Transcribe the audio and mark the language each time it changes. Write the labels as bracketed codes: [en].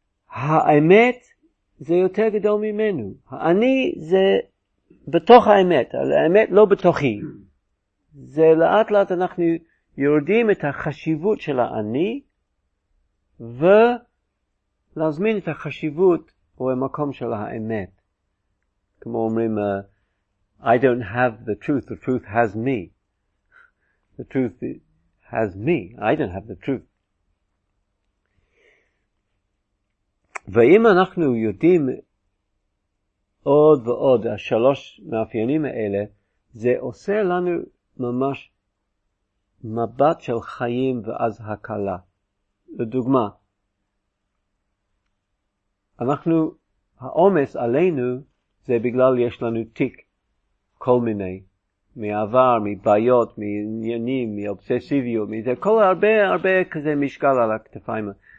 [he] האמת זה יותר גדול ממנו. אני זה בתוך האמת, האמת לא בתוכי. זה לאט לאט אנחנו יורדים את החשיבות של האני ולהזמין את החשיבות או המקום של האמת. כמו אומרים, [en] I don't have the truth has me. The truth has me, I don't have the truth. [he] ואם אנחנו יודעים עוד ועוד, השלוש מאפיינים האלה, זה עושה לנו ממש מבט של חיים ואז הקלה. לדוגמה, אנחנו, העומס עלינו זה בגלל יש לנו תיק כל מיני, מעבר, מבעיות, מעניינים, מאובססיביות, מזה, כל הרבה הרבה כזה משקל על הכתפיים.